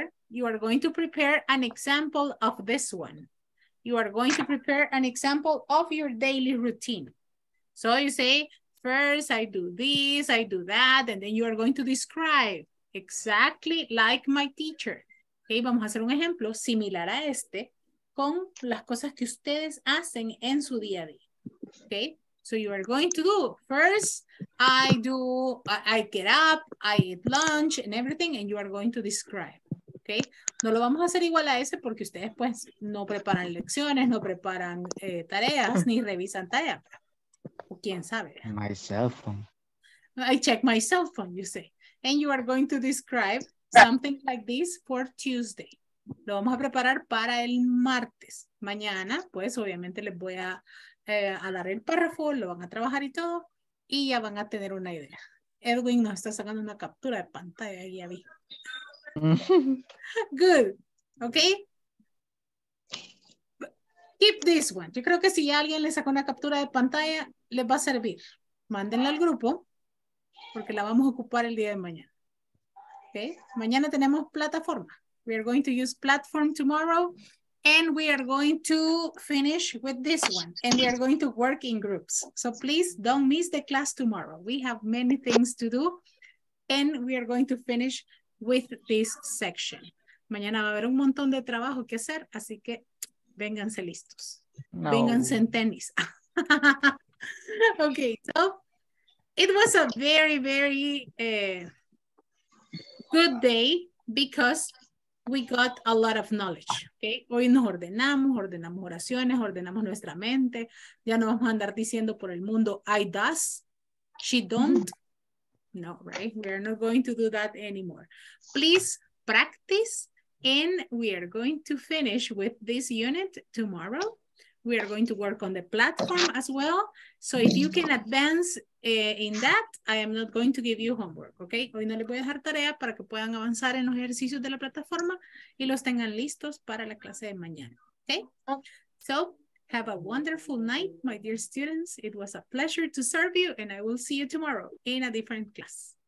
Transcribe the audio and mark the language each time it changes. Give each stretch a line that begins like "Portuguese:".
English: You are going to prepare an example of this one. You are going to prepare an example of your daily routine. So you say, first I do this, I do that, and then you are going to describe exactly like my teacher.
Spanish: Okay, vamos a hacer un ejemplo similar a este con las cosas que ustedes hacen en su día a día.
English: Okay, so you are going to do, first I get up, I eat lunch and everything, and you are going to describe. Okay.
Spanish: No lo vamos a hacer igual a ese porque ustedes pues no preparan lecciones, no preparan tareas, ni revisan tareas. O quién sabe.
English: My cell phone. I check my cell phone, you say. And you are going to describe something like this for Tuesday.
Spanish: Lo vamos a preparar para el martes. Mañana, pues obviamente les voy a dar el párrafo, lo van a trabajar y todo. Y ya van a tener una idea. Edwin nos está sacando una captura de pantalla, ya vi.
English: Good. Okay. Keep this one.
Spanish: Yo creo que si alguien le sacó una captura de pantalla, les va a servir. Mándenla al grupo porque la vamos a ocupar el día de mañana. Okay? Mañana tenemos plataforma.
English: We are going to use platform tomorrow and we are going to finish with this one and we are going to work in groups. So please don't miss the class tomorrow. We have many things to do and we are going to finish with this section.
Spanish: Mañana va a haber un montón de trabajo que hacer, así que vénganse listos. No. Vénganse en tenis.
English: Okay, so it was a very, very good day because we got a lot of knowledge.
Spanish: Okay, hoy nos ordenamos, ordenamos oraciones, ordenamos nuestra mente. Ya no vamos a andar diciendo por el mundo,
English: I does, she don't.
Spanish: No, right?
English: We're not going to do that anymore. Please practice. And we are going to finish with this unit tomorrow. We are going to work on the platform as well. So if you can advance in that, I am not going to give you homework, okay?
Spanish: Hoy no les voy a dejar tarea para que puedan avanzar en los ejercicios de la plataforma y los tengan listos para la clase de mañana, okay?
English: So have a wonderful night, my dear students. It was a pleasure to serve you and I will see you tomorrow in a different class.